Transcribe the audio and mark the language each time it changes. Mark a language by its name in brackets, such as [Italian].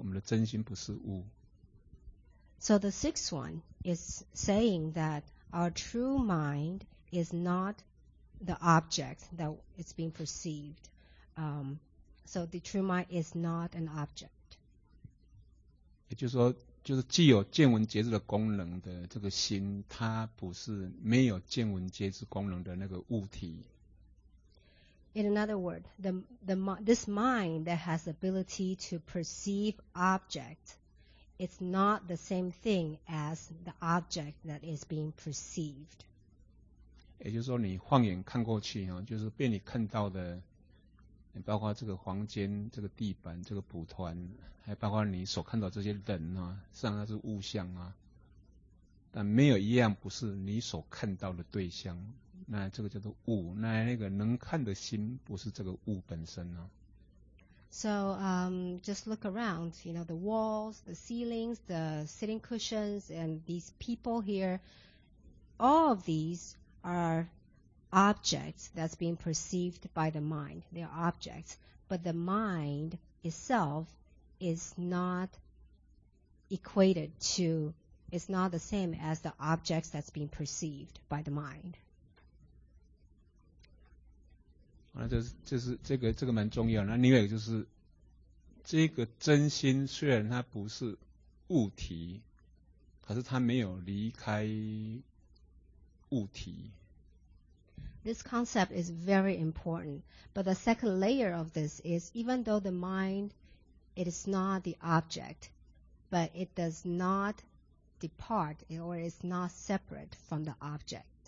[Chinese] 就是第六，就是我们的那个真心哈，它不是物。当然，它也没有离开物，但是它这第六是它是讲说，我们的真心不是物。 [English] So the sixth one is saying that our true mind is not the object that it's being perceived. So the true mind is not an object. [Chinese] 也就是说，就是具有见闻觉知的功能的这个心，它不是没有见闻觉知功能的那个物体。 [English] In another word, this mind that has the ability to perceive object, it's not the same thing as the object that is being perceived. [Chinese] 也就是说，你放眼看过去，就是被你看到的。包括这个房间、这个地板、这个蒲团，还包括你所看到这些人啊，实际上它是物象啊，但没有一样不是你所看到的对象。那这个叫做物，那那个能看的心不是这个物本身啊。 [English] So just look around, you know, the walls, the ceilings, the sitting cushions, and these people here, all of these are objects that's being perceived by the mind. They are objects. But the mind itself is not equated to, it's not the same as the objects that's being perceived by the mind. [Chinese] 那就是这个蛮重要的，那另外一个就是，这个真心虽然它不是物体，可是它没有离开物体。 [English] This concept is very important. But the second layer of this is, even though the mind, it is not the object, but it does not depart or is not separate from the object.